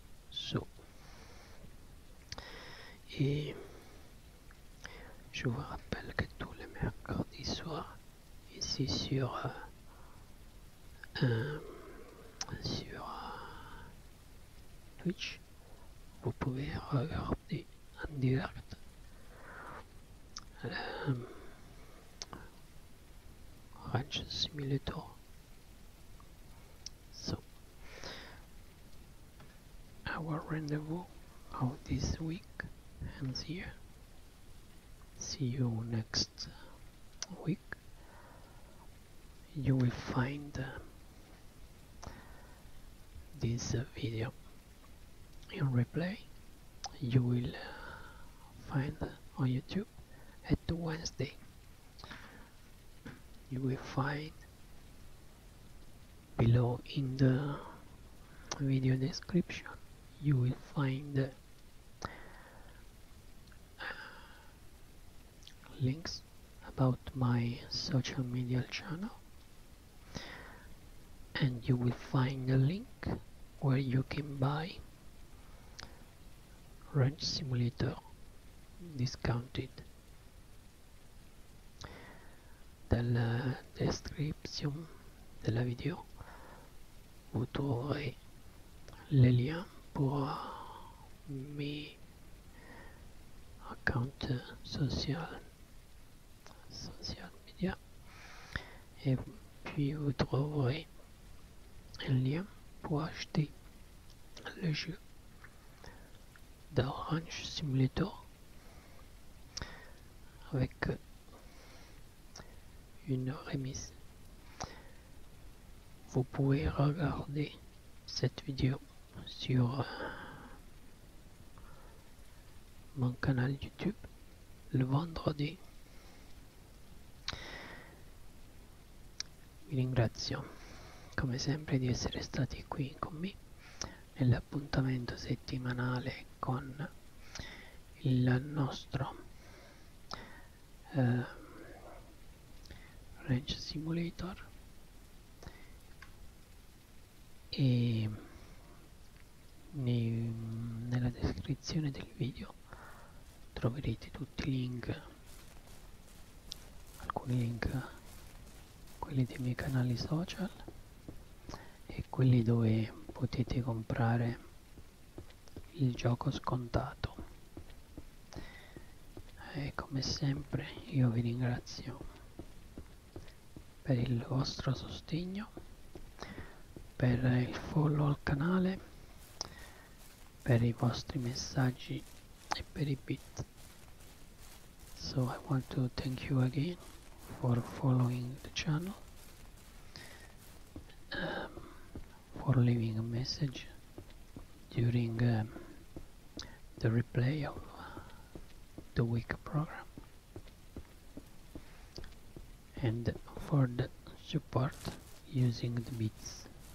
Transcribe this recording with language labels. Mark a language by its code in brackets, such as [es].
[fr] So, et je vous rappelle que tous les mercredis soirs ici sur sur Twitch, vous pouvez regarder en direct Ranch Simulator. [en] So, our rendezvous of this week ends here. See you next week. You will find this video in replay. You will find on YouTube at Wednesday. You will find below in the video description, you will find links about my social media channel, and you will find a link where you can buy Ranch Simulator discounted. [fr] Dans la description de la vidéo, vous trouverez les liens pour mes [en] accounts social [fr] media, et puis vous trouverez un lien pour acheter le jeu d'Orange Simulator avec une remise. Vous pouvez regarder cette vidéo sur mon canal YouTube le vendredi. [it] Vi ringrazio come sempre di essere stati qui con me nell'appuntamento settimanale con il nostro Ranch Simulator, e nella descrizione del video troverete tutti i link, alcuni link, quelli dei miei canali social e quelli dove potete comprare il gioco scontato. E come sempre io vi ringrazio per il vostro sostegno, per il follow al canale, per i vostri messaggi e per i bit. [en] So I want to thank you again for following the channel, for leaving a message during the replay of the week program, and for the support using the bits.